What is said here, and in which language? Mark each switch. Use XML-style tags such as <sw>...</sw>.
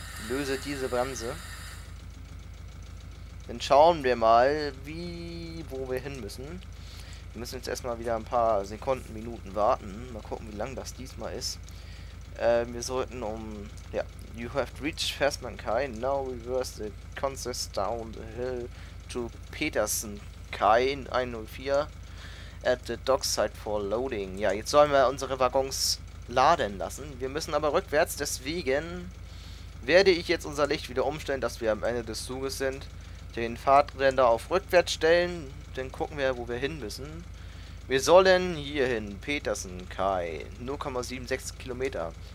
<de>Löse diese Bremse. Dann schauen wir mal, wo wir hin müssen. Wir müssen jetzt erstmal wieder ein paar Sekunden, Minuten warten. Mal gucken, wie lang das diesmal ist. Wir sollten ja,</de> <en>you have reached First Mankai. Now reverse the consist down the hill to Peterson Kai 104 at the dockside for loading.</en> <de>Ja, jetzt sollen wir unsere Waggons laden lassen. Wir müssen aber rückwärts, deswegen werde ich jetzt unser Licht wieder umstellen, dass wir am Ende des Zuges sind. Den Fahrtränder auf rückwärts stellen, dann gucken wir, wo wir hin müssen. Wir sollen hier hin, Peterson Kai, 0,76 Kilometer.</de>